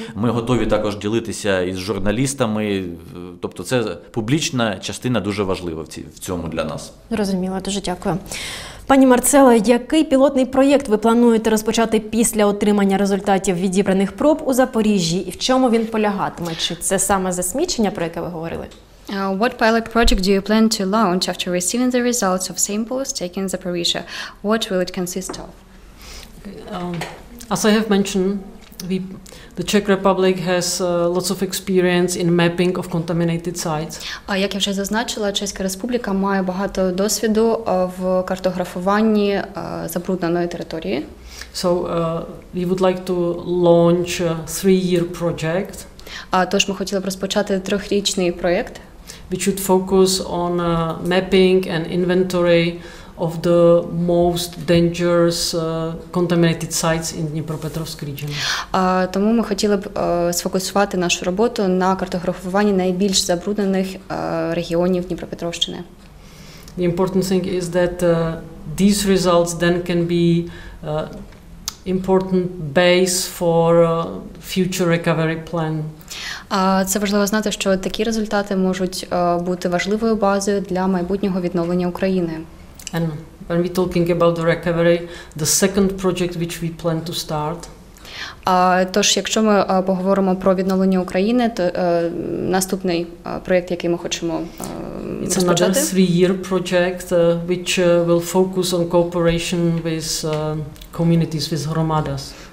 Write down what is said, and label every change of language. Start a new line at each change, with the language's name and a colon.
Ukrainian: Ми готові також ділитися із журналістами. Тобто це публічна частина, дуже важлива в цьому для нас. Розуміло, дуже дякую. Пані Марцело, який пілотний проєкт ви плануєте розпочати після отримання результатів відібраних проб у Запоріжжі? І в чому він полягатиме? Чи це саме засмічення, про яке ви говорили?
English: What pilot project do you plan to launch after receiving the results of samples taken in Zaporizhia? What will it consist of? As I have mentioned, the Czech Republic has lots of experience in mapping of contaminated sites.
Ukrainian: А як я вже зазначила, Чеська Республіка має багато досвіду в картографуванні забрудненої території.
English: So we would like to launch a 3-year project.
Ukrainian: А тож ми хотіли б розпочати трьохрічний проєкт.
English: We should focus on mapping and inventory of the most dangerous contaminated sites in Dnipropetrovsk region.
Ukrainian: Тому ми хотіли б сфокусувати нашу роботу на картографуванні найбільш забруднених регіонів Дніпропетровщини.
English: The important thing is that these results then can be important base for future recovery plan.
Ukrainian: Це важливо знати, що такі результати можуть бути важливою базою для майбутнього відновлення України.
English: And when we're talking about the recovery, the second project which we plan to start.
Ukrainian: Тож, якщо ми поговоримо про відновлення України, то наступний проєкт, який ми хочемо
English: It's
Ukrainian: розпочати.
English: Another 3-year project, which will focus on cooperation with communities, with громадas.